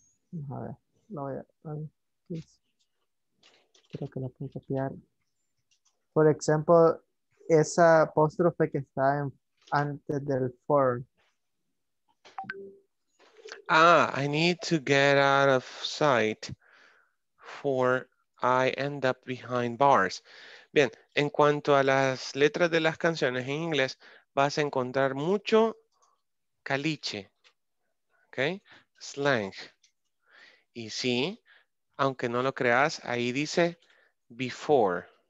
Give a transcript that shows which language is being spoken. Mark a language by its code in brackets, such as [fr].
[es] Vamos a ver, la voy a ver. Creo que la puedo copiar. Por ejemplo, esa apóstrofe que está en antes del for. [en] Ah, I need to get out of sight for I end up behind bars. [es] Bien, en cuanto a las letras de las canciones en inglés, vas a encontrar mucho caliche, ¿okay? Slang. Y sí, aunque no lo creas, ahí dice before.